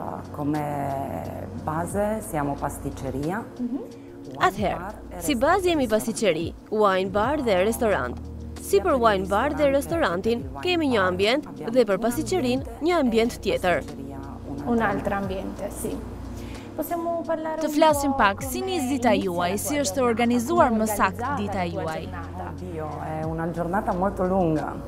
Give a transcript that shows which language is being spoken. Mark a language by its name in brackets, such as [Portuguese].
[Italian] Come base siamo pasticceria. [Albanian] Atëherë, si bazë jemi pasticceri, wine bar dhe restorant. Si për wine bar dhe restorantin, kemi një ambient dhe për pasticcerin një ambient tjetër. [Italian] Un altro ambiente, sì. Possiamo parlare. [Albanian] Të flasim pak, si nis dita juaj, si është organizuar më sakt dita juaj? [Italian] Oddio, è una giornata molto lunga.